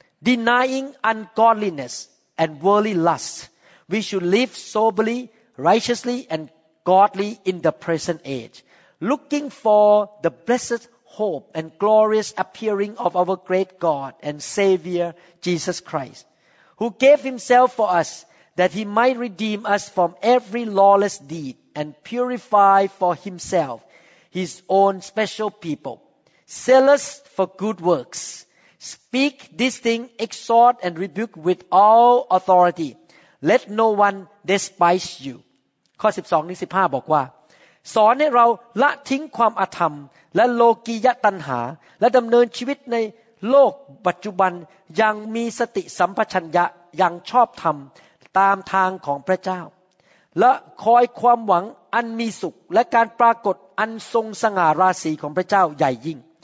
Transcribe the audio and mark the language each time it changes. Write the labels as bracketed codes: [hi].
[en] denying ungodliness and worldly lust we should live soberly righteously and godly in the present age looking for the blessedHope and glorious appearing of our great God and Savior Jesus Christ, who gave Himself for us that He might redeem us from every lawless deed and purify for Himself His own special people, zealous for good works. Speak this thing, exhort and rebuke with all authority. Let no one despise you. [th] ข้อ12 ถึง 15 บอกว่าสอนให้เราละทิ้งความอธรรมและโลกียตัณหาและดำเนินชีวิตในโลกปัจจุบันยังมีสติสัมปชัญญะยังชอบธรรมตามทางของพระเจ้าและคอยความหวังอันมีสุขและการปรากฏอันทรงสง่าราศีของพระเจ้าใหญ่ยิ่ง